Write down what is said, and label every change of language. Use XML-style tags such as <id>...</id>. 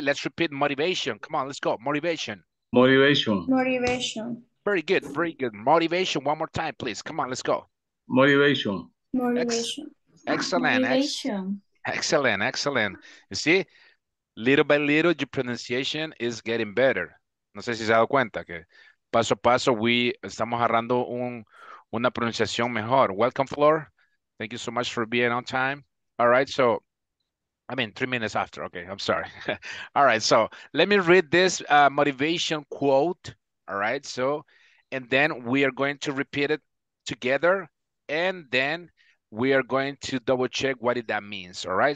<en>Let's repeat motivation. Come on. Let's go. Motivation. Motivation. Motivation. Very good. Very good. Motivation. One more time, please. Come on. Let's go. Motivation. Motivation. Excellent. Excellent. Excellent. You see, little by little, your pronunciation is getting better.</en> <es>No sé si se ha dado cuenta que paso a paso, we estamos agarrando una pronunciación mejor.</es> <en>Welcome, Flor. Thank you so much for being on time. All right. So, I mean, 3 minutes after. Okay. I'm sorry. All right. So, let me read this motivation quote. All right. So, and then we are going to repeat it together. And then we are going to double check what that means, all right?</en>